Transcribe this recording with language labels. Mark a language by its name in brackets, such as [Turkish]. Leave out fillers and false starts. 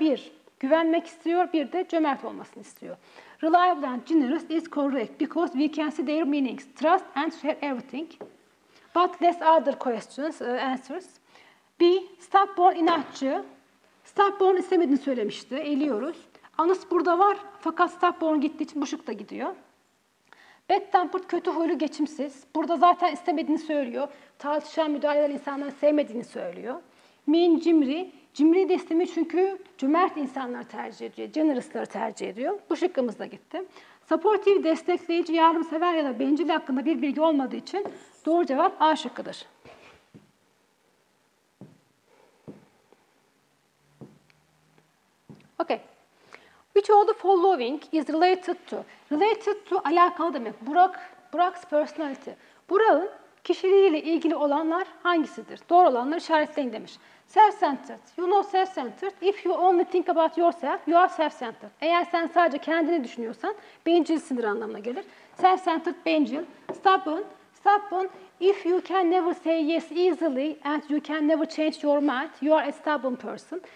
[Turkish] Bir, güvenmek istiyor, bir de cömert olmasını istiyor. [English] Reliable and generous is correct because we can see their meanings. Trust and share everything. But less other questions, answers. [Turkish] B, stubborn, inatçı. Stubborn istemediğini söylemişti, eliyoruz. Anıs burada var fakat stubborn gittiği için bu şık da gidiyor. Bad tempered, kötü huylu, geçimsiz. Burada zaten istemediğini söylüyor. Tartışan, müdahale eden insanları sevmediğini söylüyor. Mean, cimri. Cimri destemi çünkü cömert insanlar tercih ediyor, generous'ları tercih ediyor. Bu şıkkımız da gitti. Supportive, destekleyici, yardımsever ya da bencil hakkında bir bilgi olmadığı için doğru cevap A şıkkıdır. [English] Okay. Which of the following is related to? Related to [Turkish] alakalı demek. [English] Burak's personality. [Turkish] Burak'ın kişiliğiyle ilgili olanlar hangisidir? Doğru olanları işaretleyin demiş. Self-centered. [English] You know self-centered. If you only think about yourself, you are self-centered. [Turkish] Eğer sen sadece kendini düşünüyorsan bencilsindir anlamına gelir. [English] Self-centered, bencil. Stubborn. Stubborn. If you can never say yes easily and you can never change your mind, you are a stubborn person.